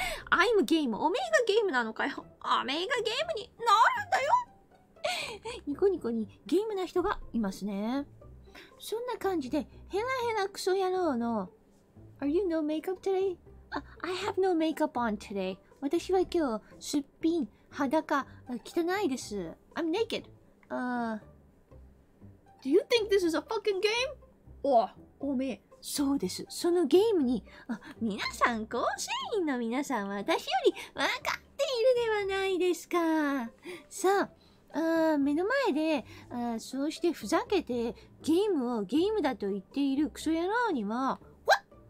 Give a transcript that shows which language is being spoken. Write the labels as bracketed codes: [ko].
[ja] アイムゲーム、おめえがゲームなのかよ。おめえがゲームになるんだよ。ニコニコにゲームな人がいますね。そんな感じで、ヘラヘラクソ野郎の [en] Are you no makeup today?、I have no makeup on today. [ja] 私は今日すっぴん、裸、汚いです。 [en] I'm naked.、Do you think this is a fucking game? [ja] おめえ。そうです。そのゲームに、皆さん、構成員の皆さんは私より分かっているではないですか。さあ、目の前で、そうしてふざけてゲームをゲームだと言っているクソ野郎には、 [en] What?